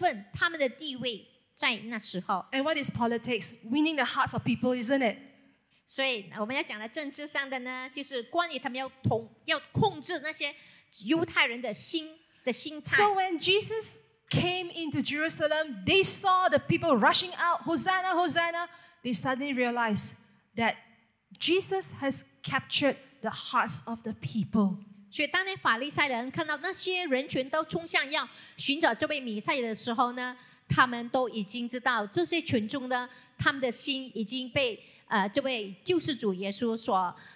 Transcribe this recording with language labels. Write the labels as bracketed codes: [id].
[zh] 所以这些法利赛人呢，他们所专注的就是关于他们的身份，他们的地位在那时候。 [en] And what is politics? Winning the hearts of people, isn't it? [zh] 所以我们要讲的政治上的呢，就是关于他们要控制那些犹太人的心。 [en] So when Jesus came into Jerusalem, they saw the people rushing out, Hosanna, Hosanna. They suddenly realized that Jesus has captured the hearts of the people. [zh] 所以当那法利赛人看到那些人群都冲向要寻找这位弥赛亚的时候呢，他们都已经知道这些群众呢，他们的心已经被这位救世主耶稣所